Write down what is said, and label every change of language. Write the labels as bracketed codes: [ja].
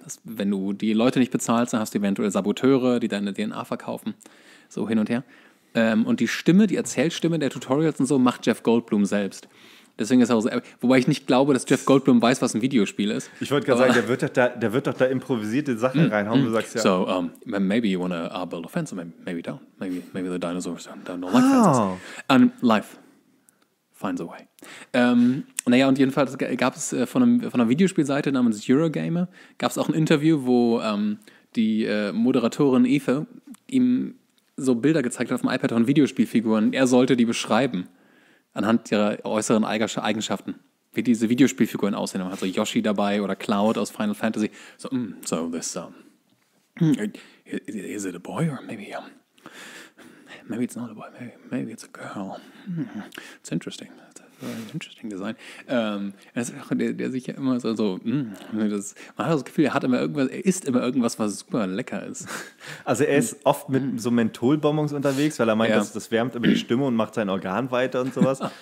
[de] Das, wenn du die Leute nicht bezahlst, dann hast du eventuell Saboteure, die deine DNA verkaufen. So hin und her. Und die Stimme, die Erzählstimme der Tutorials und so, macht Jeff Goldblum selbst. Deswegen ist er auch so. Wobei ich nicht glaube, dass Jeff Goldblum weiß, was ein Videospiel ist. Ich wollte gerade sagen, der wird doch da improvisierte Sachen reinhauen. Du sagst ja. [en] So, maybe you want to build a fence, or maybe don't. Maybe the dinosaurs don't like fences. And life finds a way. [de] Naja, und jedenfalls gab es von einer Videospielseite namens Eurogamer, gab es auch ein Interview, wo die Moderatorin Eva ihm so Bilder gezeigt hat auf dem iPad von Videospielfiguren. Er sollte die beschreiben. Anhand ihrer äußeren Eigenschaften, wie diese Videospielfiguren aussehen. Man hat so Yoshi dabei oder Cloud aus Final Fantasy. [en] So, is it a boy or maybe it's not a boy, maybe it's a girl. It's interesting. [de] Ein interesting Design. Der sich ja immer so das, man hat das Gefühl, er isst immer irgendwas, was super lecker ist. Also er ist oft mit so Mentholbonbons unterwegs, weil er meint, das wärmt immer die Stimme und macht sein Organ weiter und sowas.